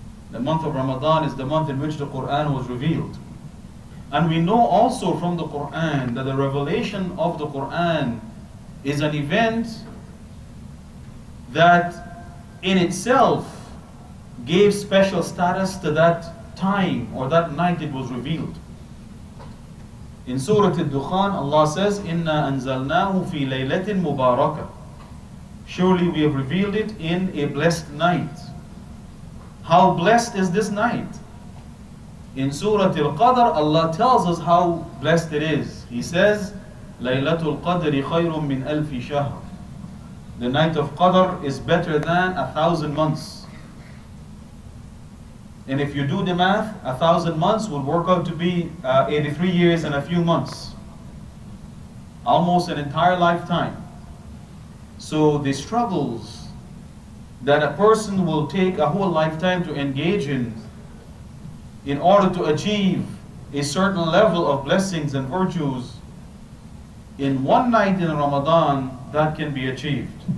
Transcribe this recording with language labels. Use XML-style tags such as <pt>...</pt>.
<en>The month of Ramadan is the month in which the Qur'an was revealed. And we know also from the Qur'an that the revelation of the Qur'an is an event that in itself gave special status to that time or that night it was revealed. In Surah Al-Dukhan, Allah says,</en> <ar>إِنَّا أَنزَلْنَاهُ فِي لَيْلَةٍ مُبَارَكَةٍ.</ar> <en>Surely we have revealed it in a blessed night. How blessed is this night? In Surah Al-Qadr, Allah tells us how blessed it is. He says,</en> <ar>لَيْلَةُ الْقَدْرِ خَيْرٌ مِّنْ أَلْفِ شَهْرٍ.</ar> <en>The night of Qadr is better than 1,000 months. And if you do the math, 1,000 months would work out to be 83 years and a few months. Almost an entire lifetime. So the struggles that a person will take a whole lifetime to engage in order to achieve a certain level of blessings and virtues, in one night in Ramadan, that can be achieved.</en>